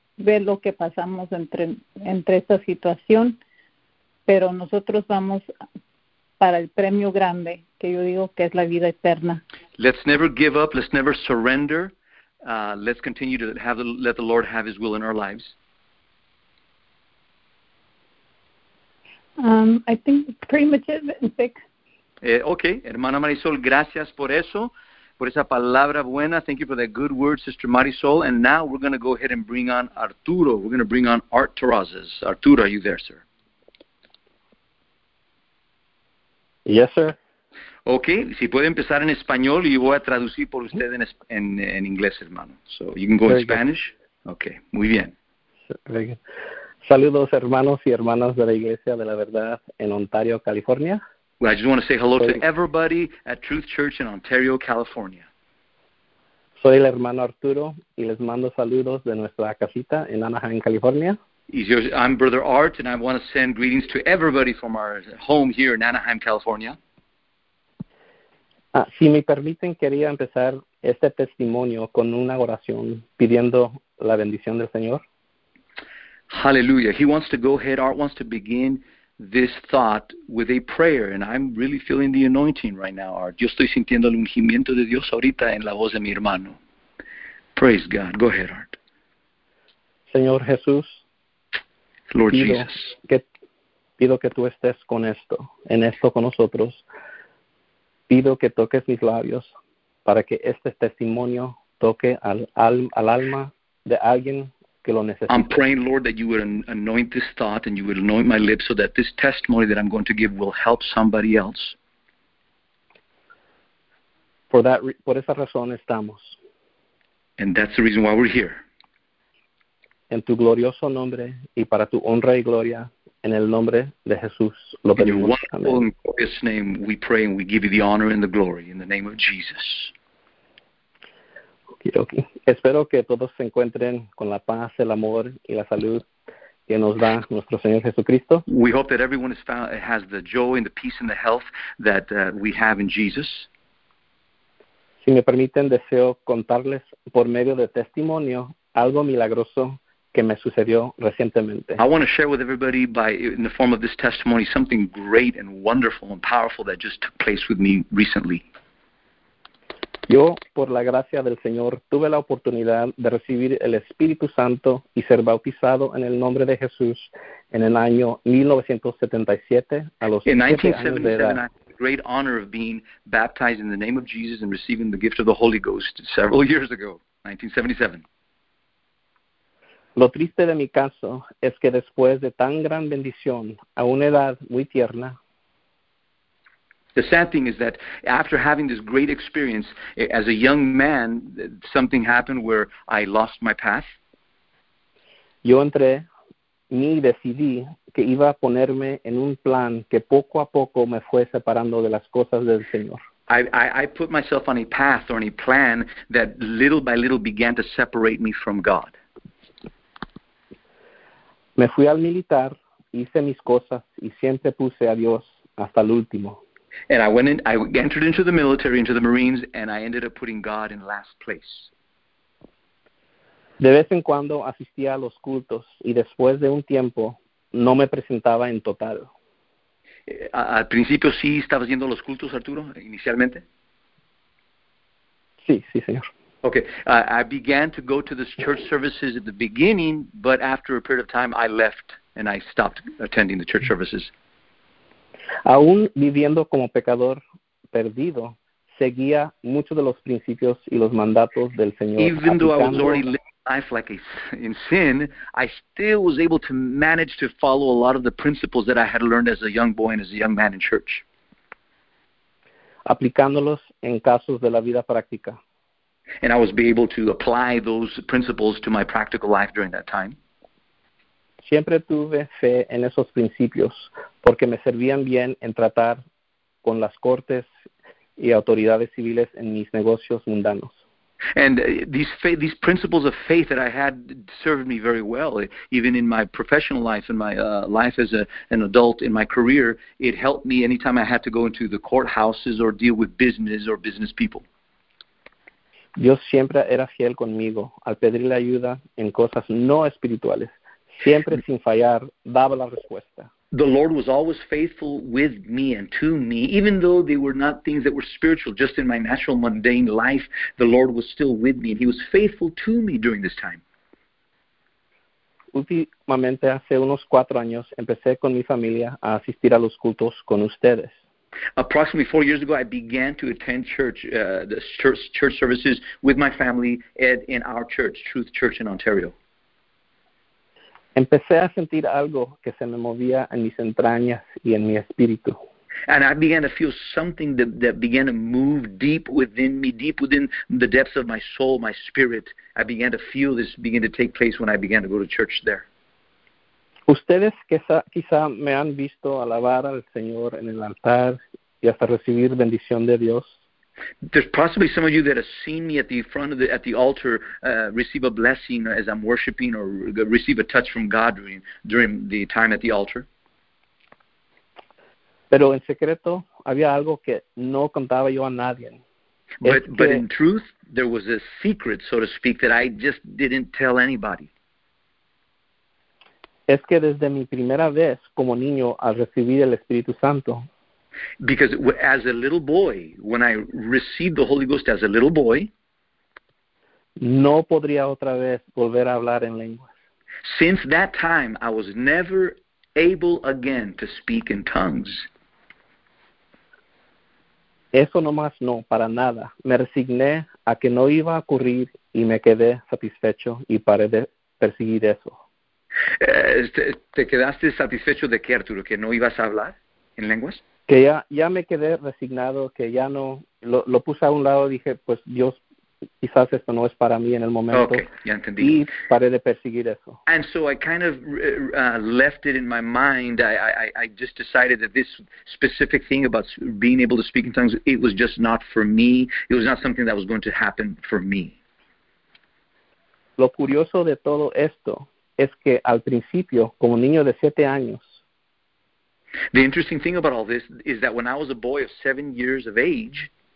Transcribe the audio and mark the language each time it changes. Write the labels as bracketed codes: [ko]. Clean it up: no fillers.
[es] Ve lo que pasamos entre esta situación, pero nosotros vamos para el premio grande, que yo digo que es la vida eterna. [en] Let's never give up. Let's never surrender. Let's continue to let the Lord have His will in our lives. I think pretty much it, Vic. [es] Okay, hermana Marisol, gracias por eso, por esa palabra buena. [en] Thank you for that good word, Sister Marisol. And now we're going to go ahead and bring on Arturo. We're going to bring on Art Terrazas. Arturo, are you there, sir? Yes, sir. [es] Okay, si puede empezar en español, y voy a traducir por usted en inglés, hermano. [en] So you can go in Spanish. Okay, [es] muy bien. [en] Very good. [es] Saludos, hermanos y hermanas de la Iglesia de la Verdad en Ontario, California. [en] Well, I just want to say hello to everybody at Truth Church in Ontario, California. [es] Soy el hermano Arturo, y les mando saludos de nuestra casita en Anaheim, California. [en] I'm Brother Art, and I want to send greetings to everybody from our home here in Anaheim, California. [es] Si me permiten, quería empezar este testimonio con una oración pidiendo la bendición del Señor. [en] Hallelujah. He wants to go ahead. Art wants to begin this thought with a prayer. And I'm really feeling the anointing right now, Art. [es] Yo estoy sintiendo el ungimiento de Dios ahorita en la voz de mi hermano. [en] Praise God. Go ahead, Art. [es] Señor Jesús. [en] Lord [es] pido [en] Jesus. [es] Pido que tú estés con esto, en esto con nosotros. Pido que toques mis labios para que este testimonio toque al alma de alguien. [en] I'm praying, Lord, that you would anoint this thought and you would anoint my lips so that this testimony that I'm going to give will help somebody else. [es] Por esa razón estamos. [en] And that's the reason why we're here. [es] En tu glorioso nombre y para tu honra y gloria, en el nombre de Jesús, lo pedimos. [en] In your wonderful and glorious name, we pray and we give you the honor and the glory in the name of Jesus. Okay. [es] Espero que todos se encuentren con la paz, el amor y la salud que nos da nuestro Señor Jesucristo. [en] We hope that everyone has the joy and the peace and the health that we have in Jesus. [es] Si me permiten, deseo contarles por medio de testimonio algo milagroso que me sucedió recientemente. [en] I want to share with everybody in the form of this testimony something great and wonderful and powerful that just took place with me recently. [es] Yo, por la gracia del Señor, tuve la oportunidad de recibir el Espíritu Santo y ser bautizado en el nombre de Jesús en el año 1977, a los 7 años de edad. [en] I had the great honor of being baptized in the name of Jesus and receiving the gift of the Holy Ghost several years ago, 1977. [es] Lo triste de mi caso es que después de tan gran bendición, a una edad muy tierna, [en] the sad thing is that after having this great experience as a young man, something happened where I lost my path. [es] yo entré y decidí que iba a ponerme en un plan que poco a poco me fue separando de las cosas del Señor. [en] I put myself on a path or on a plan that little by little began to separate me from God. [es] Me fui al militar, hice mis cosas y siempre puse a Dios hasta el último. [en] And I entered into the military, into the Marines, and I ended up putting God in last place. [es] De vez en cuando asistía a los cultos y después de un tiempo no me presentaba en total. Al principio sí estabas yendo a los cultos, Arturo, inicialmente. Sí, sí, señor. [en] Okay, I began to go to the church services at the beginning, but after a period of time I left and I stopped attending the church services. [es] Aún viviendo como pecador perdido, seguía muchos de los principios y los mandatos del Señor. [en] Even though I was already living life like in sin, I still was able to manage to follow a lot of the principles that I had learned as a young boy and as a young man in church. [es] Aplicándolos en casos de la vida práctica. [en] And I was able to apply those principles to my practical life during that time. [es] Siempre tuve fe en esos principios porque me servían bien en tratar con las cortes y autoridades civiles en mis negocios mundanos. [en] And these principles of faith that I had served me very well, even in my professional life and my life as an adult in my career, it helped me anytime I had to go into the courthouses or deal with business or business people. [es] Dios siempre era fiel conmigo al pedirle ayuda en cosas no espirituales. Siempre sin fallar, daba la respuesta. [en] The Lord was always faithful with me and to me, even though they were not things that were spiritual, just in my natural mundane life, the Lord was still with me, and He was faithful to me during this time. [es] Últimamente, hace unos 4 años, empecé con mi familia a asistir a los cultos con ustedes. [en] Approximately 4 years ago, I began to attend church services with my family at in our church, Truth Church in Ontario. [es] Empecé a sentir algo que se me movía en mis entrañas y en mi espíritu. [en] And I began to feel something that began to move deep within me, deep within the depths of my soul, my spirit. I began to feel this begin to take place when I began to go to church there. [es] Ustedes quizá me han visto alabar al Señor en el altar y hasta recibir bendición de Dios. [en] There's possibly some of you that have seen me at the front of at the altar receive a blessing as I'm worshiping or receive a touch from God during the time at the altar. [es] Pero en secreto había algo que no contaba yo a nadie. [en] But in truth, there was a secret, so to speak, that I just didn't tell anybody. [es] Es que desde mi primera vez como niño al recibir el Espíritu Santo. [en] Because as a little boy, when I received the Holy Ghost as a little boy, [es] no podría otra vez volver a hablar en lenguas. [en] Since that time, I was never able again to speak in tongues. [es] Eso nomás no, para nada. Me resigné a que no iba a ocurrir y me quedé satisfecho y paré de perseguir eso. ¿Te quedaste satisfecho de qué, Arturo? ¿Que no ibas a hablar en lenguas? Que ya me quedé resignado, que ya no, lo puse a un lado, dije, pues Dios, quizás esto no es para mí en el momento. Okay, ya entendí. Y paré de perseguir eso. [en] And so I kind of left it in my mind, I just decided that this specific thing about being able to speak in tongues, it was just not for me, it was not something that was going to happen for me. [es] Lo curioso de todo esto es que al principio, como niño de 7 años, [en] the interesting thing about all this is that when I was a boy of 7 years of age,